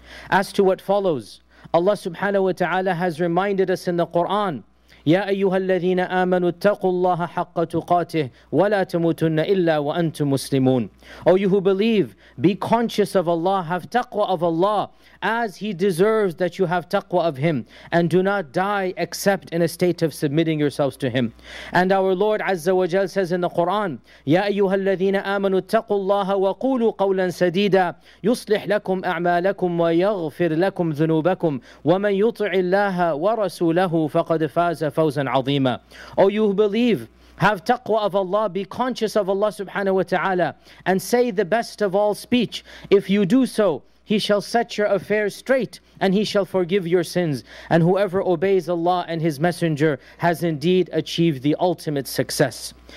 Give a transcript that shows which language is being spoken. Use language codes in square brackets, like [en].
[en] As to what follows, Allah subhanahu wa ta'ala has reminded us in the Quran, [ar] يَا أَيُّهَا الَّذِينَ آمَنُوا اتَّقُوا اللَّهَ حَقَّ تُقَاتِهِ وَلَا تَمُوتُنَّ إِلَّا وَأَنْتُمْ مُسْلِمُونَ. [en] O you who believe, be conscious of Allah, have taqwa of Allah, as He deserves that you have taqwa of Him, and do not die except in a state of submitting yourselves to Him. And our Lord Azza wa Jal says in the Quran, [ar] يَا أَيُّهَا الَّذِينَ آمَنُوا اتَّقُوا اللَّهَ وَقُولُوا قَوْلًا سَدِيدًا يُصْلِحْ لَكُمْ أَعْمَالَكُمْ وَيَغْفِرْ لَكُمْ ذُنُوبَكُمْ وَمَنْ يُطِعِ اللَّهَ وَرَسُولَهُ فَقَدْ فَازَ فَوْزًا عَظِيمًا. [en] O you who believe, have taqwa of Allah, be conscious of Allah subhanahu wa ta'ala, and say the best of all speech. If you do so, He shall set your affairs straight, and He shall forgive your sins. And whoever obeys Allah and His Messenger has indeed achieved the ultimate success.